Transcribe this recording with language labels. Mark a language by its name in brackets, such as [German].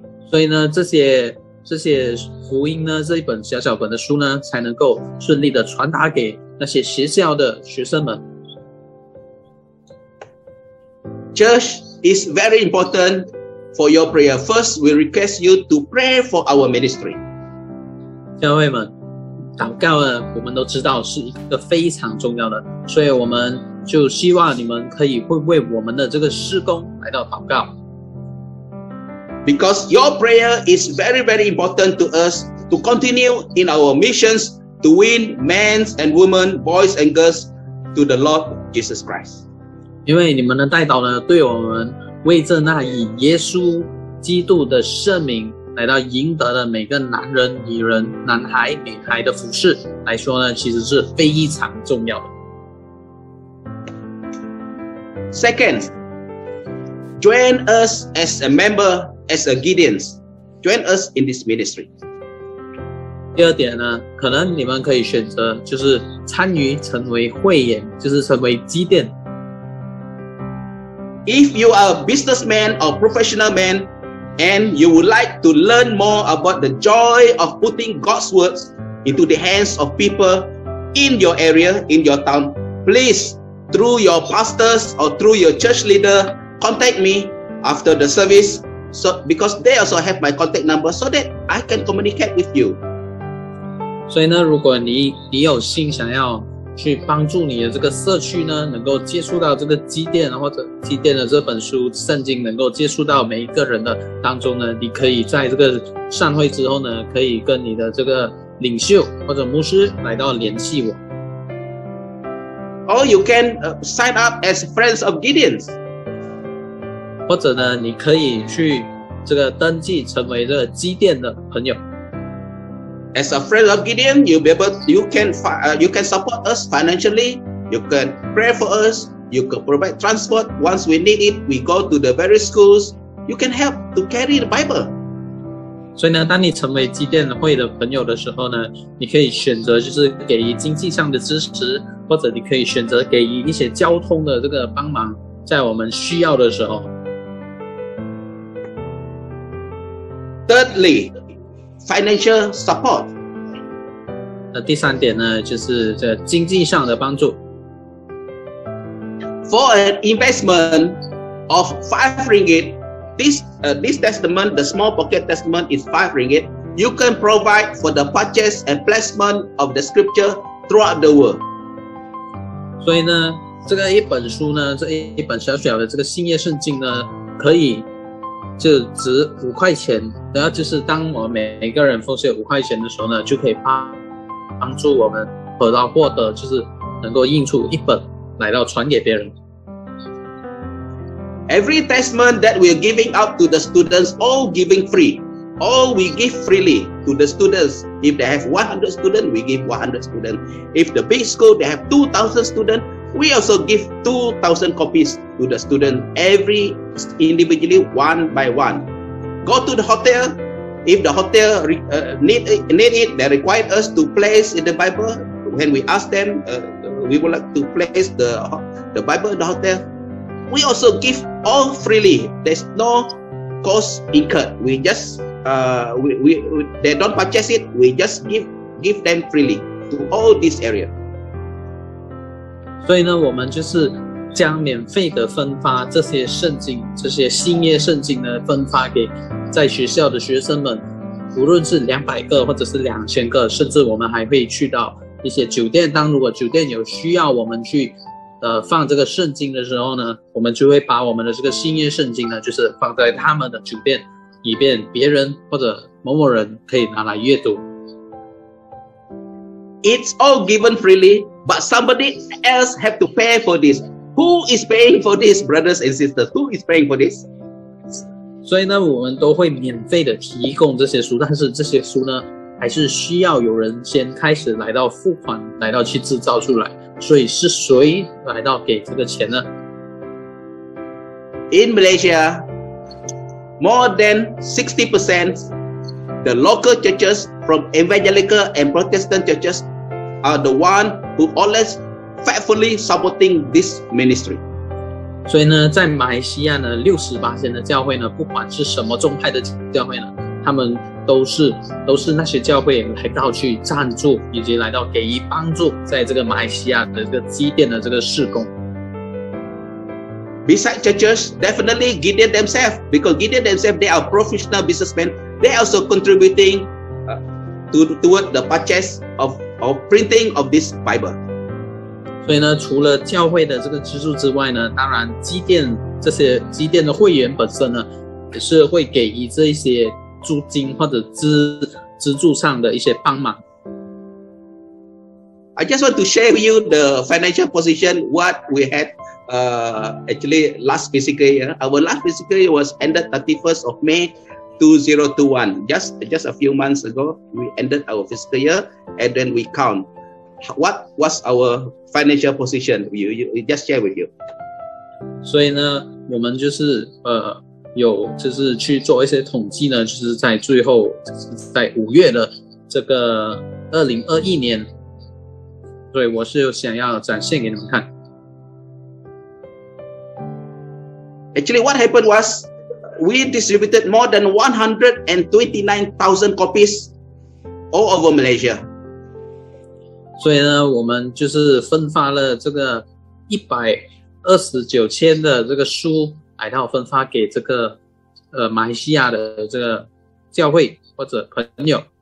[Chinese] 所以呢，这些福音呢，这一本小小本的书呢，才能够顺利的传达给那些学校的学生们。 [English] Church is very important for your prayer. First, we request you to pray for our ministry. [Chinese] 教会们，祷告呢，我们都知道是一个非常重要的，所以我们就希望你们可以会为我们的这个事工来到祷告。 [English] Because your prayer is very, very important to us to continue in our missions to win men and women, boys and girls to the Lord Jesus Christ. [Chinese] 因为你们的代祷呢，对我们为着那以耶稣基督的圣名来到赢得的每个男人、女人、男孩、女孩的服事来说呢，其实是非常重要的。 [English] Second, join us as a member, as a Gideon's. Join us in this ministry. [Chinese] 第二点呢，可能你们可以选择就是参与成为会员，就是成为基甸。 [English] If you are a businessman or professional man, and you would like to learn more about the joy of putting God's words into the hands of people in your area, in your town, please, through your pastors or through your church leader, contact me after the service, so, because they also have my contact number so that I can communicate with you. [Chinese] 所以呢，如果你有心想要去帮助你的这个社区呢，能够接触到这个基甸，或者基甸的这本书圣经能够接触到每一个人的当中呢，你可以在这个善会之后呢，可以跟你的这个领袖或者牧师来到联系我。 [English] Or you can sign up as friends of Gideon's. [Chinese] 或者呢，你可以去这个登记成为这个基甸的朋友。 [English] As a friend of Gideon, you can support us financially. You can pray for us. You can provide transport once we need it. We go to the various schools. You can help to carry the Bible. [Chinese] 所以呢，当你成为基甸会的朋友的时候呢，你可以选择就是给予经济上的支持，或者你可以选择给予一些交通的这个帮忙，在我们需要的时候。 [English] Thirdly, financial support. [Chinese] 第三点呢，就是这经济上的帮助。 [English] For an investment of 5 ringgit, this testament, the small pocket testament is 5 ringgit, you can provide for the purchase and placement of the scripture throughout the world. [Chinese] 所以呢，这个一本书呢，这一本小小的这个新约圣经呢，可以就值5块钱，然后就是当我们每个人奉献5块钱的时候呢，就可以帮助我们得到获得，就是能够印出一本来到传给别人。 [English] Every testament that we are giving out to the students, all giving free. All we give freely to the students. If they have 100 students, we give 100 students. If the big school, they have 2,000 students, we also give 2,000 copies to the students, every individually, one by one. Go to the hotel. If the hotel need it, they require us to place in the Bible. When we ask them, we would like to place the Bible in the hotel. We also give all freely. There's no cost incurred. We just, they don't purchase it. We just give them freely to all this area. [Chinese] 所以呢，我们就是将免费的分发这些圣经，这些新约圣经呢，分发给在学校的学生们，无论是200个或者是2000个，甚至我们还会去到一些酒店，当如果酒店有需要我们去放这个圣经的时候呢，我们就会把我们的这个新约圣经呢，就是放在他们的酒店，以便别人或者某某人可以拿来阅读。 [English] It's all given freely, but somebody else have to pay for this. Who is paying for this, brothers and sisters? Who is paying for this? [Chinese] 所以呢，我们都会免费的提供这些书，但是这些书呢，还是需要有人先开始来到付款，来到去制造出来。所以是谁来到给这个钱呢？ [English] In Malaysia, more than 60% the local churches from evangelical and Protestant churches are the one who always faithfully supporting this ministry. [Chinese] 所以呢，在马来西亚呢，60%的教会呢，不管是什么宗派的教会呢，他们都是那些教会来到去赞助以及来到给予帮助，在这个马来西亚的这个基甸的这个事工。 [English] Besides churches, definitely Gideon themselves, because Gideon themselves they are professional businessmen. They also contributing toward the purchase of printing of this Bible. [Chinese] 所以呢，除了教会的这个资助之外呢，当然基甸这些基甸的会员本身呢，也是会给予这一些租金或者资助上的一些帮忙。 [English] I just want to share with you the financial position what we had actually last fiscal year. Our last fiscal year was ended 31st of May 2021. Just a few months ago, we ended our fiscal year and then we count what was our financial position. We just share with you. [Chinese] 所以呢，我们就是有就是去做一些统计呢，就是在最后在五月的这个2021年，所以我是想要展现给你们看。 [English] Actually, what happened was we distributed more than 129,000 copies all over Malaysia. [Chinese] 所以呢，我们就是分发了这个129,000的这个书，来到分发给这个马来西亚的这个教会或者朋友。